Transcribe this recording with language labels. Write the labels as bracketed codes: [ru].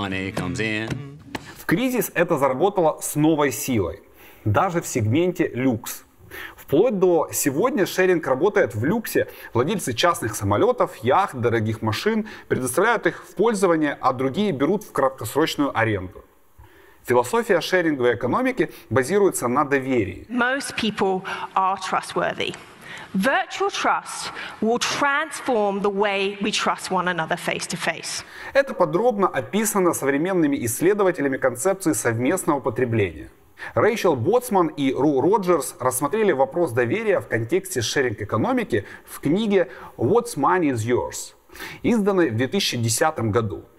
[ru] В кризис это заработало с новой силой, даже в сегменте люкс. Вплоть до сегодня шеринг работает в люксе. Владельцы частных самолетов, яхт, дорогих машин предоставляют их в пользование, а другие берут в краткосрочную аренду. Философия шеринговой экономики базируется на доверии. [en] Most people are trustworthy. Virtual trust will transform the way we trust one another face to face. [ru] Это подробно описано современными исследователями концепции совместного потребления. Рэйчел Боцман и Ру Роджерс рассмотрели вопрос доверия в контексте шеринг-экономики в книге «What's Money is Yours», изданной в 2010 году.